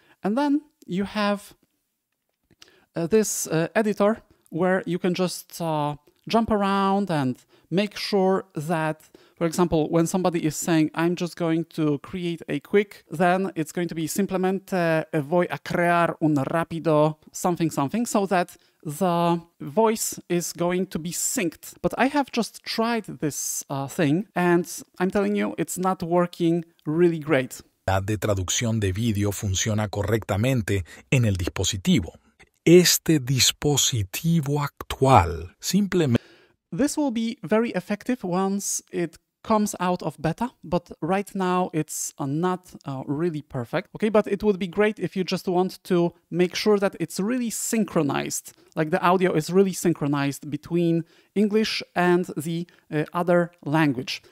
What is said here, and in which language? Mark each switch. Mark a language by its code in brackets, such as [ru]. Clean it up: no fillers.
[en] And then you have this editor where you can just jump around and make sure that, for example, when somebody is saying, I'm just going to create a quick, then it's going to be [es] simplemente voy a crear un rápido, [en] something, something, so that the voice is going to be synced. But I have just tried this thing and I'm telling you, it's not working really great. [es] La de traducción de video funciona correctamente en el dispositivo. Este dispositivo actual simplemente... [en] This will be very effective once it comes out of beta, but right now it's not really perfect. Okay, but it would be great if you just want to make sure that it's really synchronized, like the audio is really synchronized between English and the other language.